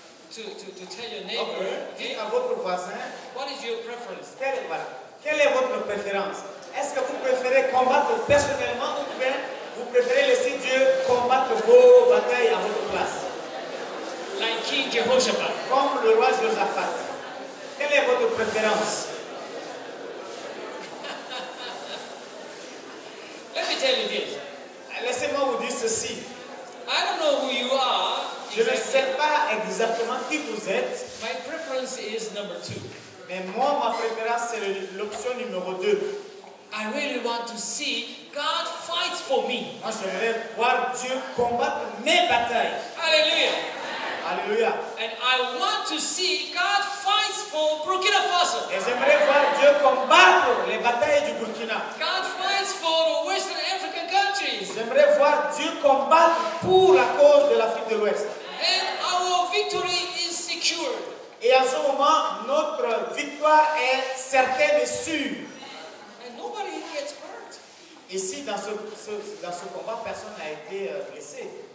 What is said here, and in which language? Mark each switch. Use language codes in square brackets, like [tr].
[en] To tell your neighbor, okay. [fr] Dites à votre voisin, [en] what is your preference? [fr] Quelle est votre préférence? Est-ce que vous préférez combattre personnellement ou bien vous préférez laisser Dieu combattre vos batailles à votre place? [en] Like King Jehoshaphat. [fr] Comme le roi Josaphat. Quelle est votre préférence? [en] Let me tell you this. [fr] Laissez-moi vous dire ceci. [en] I don't know who you are. [fr] Je ne sais pas exactement qui vous êtes. [en] My preference is number two. [fr] Mais moi, ma préférence, c'est l'option numéro 2. [en] I really want to see God fight for me. [fr] Moi, je veux voir Dieu combattre mes batailles. Alléluia. Alléluia. [en] And I want to see God fight for Burkina Faso. [fr] Et j'aimerais voir Dieu combattre les batailles du Burkina. [en] God fights for the Western African countries. [fr] J'aimerais voir Dieu combattre pour la cause de l'Afrique de l'Ouest. [en] And our victory is secure. [fr] Et en ce moment, notre victoire est certaine et sûre. [en] And nobody gets hurt. [fr] Ici, dans ce combat, personne n'a été blessé.